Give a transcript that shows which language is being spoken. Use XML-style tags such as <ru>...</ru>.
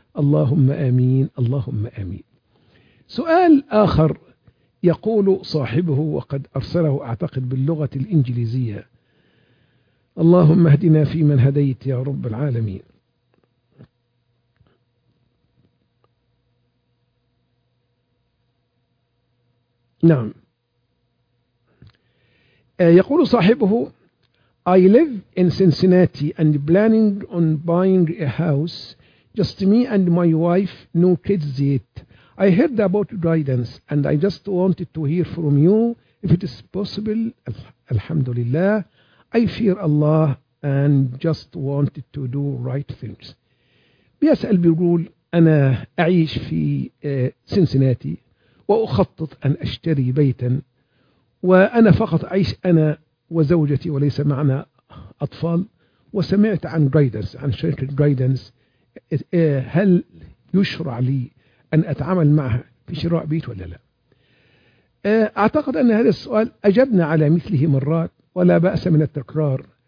<ar>اللهم آمين. اللهم آمين. سؤال آخر يقول صاحبه، وقد أرسله أعتقد باللغة الإنجليزية: اللهم اهدنا فيمن هديت يا رب العالمين، نعم. يقول صاحبه:</ar> <en>I live in Cincinnati and planning on buying a house. Just me and my wife, no kids yet. I heard about guidance and I just wanted to hear from you if it is possible. Alhamdulillah, I fear Allah and just wanted to do right things.</en> <ar>بيسأل بيقول أنا أعيش في سنسناتي وأخطط أن أشتري بيتا وأنا فقط أعيش أنا وزوجتي وليس معنا أطفال وسمعت عن جايدنس عن شركة جايدنس هل يشرع لي أن أتعامل معها في شراء بيت ولا لا؟ أعتقد أن هذا السؤال أجبنا على مثله مرات ولا بأس من التكرار.</ar>